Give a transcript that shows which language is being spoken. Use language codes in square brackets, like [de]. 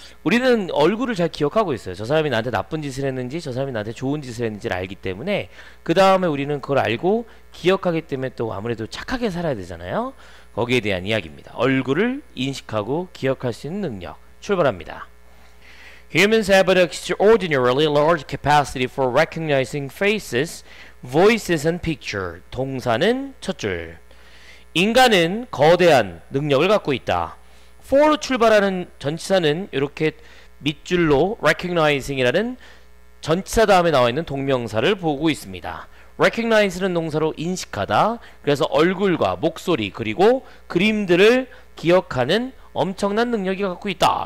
[ko] 우리는 얼굴을 잘 기억하고 있어요. 저 사람이 나한테 나쁜 짓을 했는지 저 사람이 나한테 좋은 짓을 했는지를 알기 때문에 그 다음에 우리는 그걸 알고 기억하기 때문에 또 아무래도 착하게 살아야 되잖아요. 거기에 대한 이야기입니다. 얼굴을 인식하고 기억할 수 있는 능력 출발합니다. [en] Humans have an extraordinarily large capacity for recognizing faces, voices, and pictures. [ko] 동사는 첫 줄. 인간은 거대한 능력을 갖고 있다. For로 출발하는 전치사는 이렇게 밑줄로 recognizing이라는 전치사 다음에 나와 있는 동명사를 보고 있습니다. Recognize는 동사로 인식하다. 그래서 얼굴과 목소리 그리고 그림들을 기억하는 엄청난 능력이 갖고 있다.